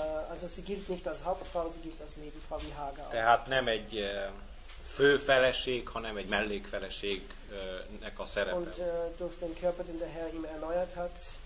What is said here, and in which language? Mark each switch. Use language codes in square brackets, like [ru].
[de] Also sie gilt nicht als Hauptfrau, sie gilt als Nebenfrau, wie Hagar. [hu] Tehát nem egy főfeleség, hanem egy mellékfeleségnek a szerepe. [de] Und durch den Körper, den der Herr ihm erneuert hat,